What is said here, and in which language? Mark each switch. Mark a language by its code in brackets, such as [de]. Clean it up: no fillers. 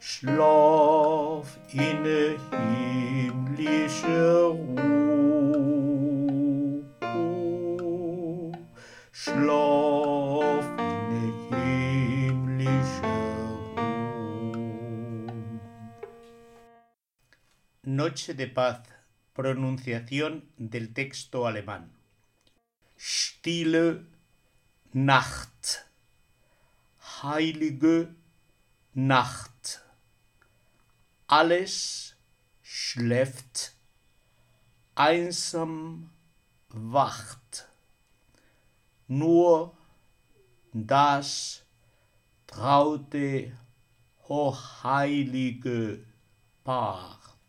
[de] Schlaf in himmlische Ruhe. Schlaf in himmlische Ruhe. [es] Noche de paz. Pronunciación del texto alemán. [de] Stille Nacht, heilige Nacht, alles schläft, einsam wacht, nur das traute hochheilige Paar.